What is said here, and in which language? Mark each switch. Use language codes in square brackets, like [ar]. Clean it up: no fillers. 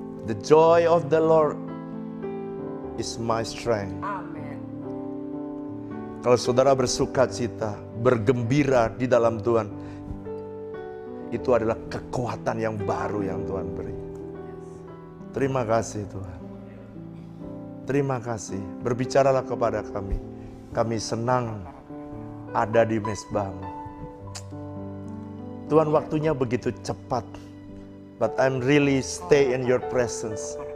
[en] The joy of the Lord is my strength. Amen. [id] Kalau saudara bersuka cita, bergembira di dalam Tuhan, itu adalah kekuatan yang baru yang Tuhan beri. Terima kasih Tuhan. Terima kasih. Berbicaralah kepada kami. Kami senang ada di mesbah-Mu. Tuhan, waktunya begitu cepat. [en] But I'm really stay in your presence.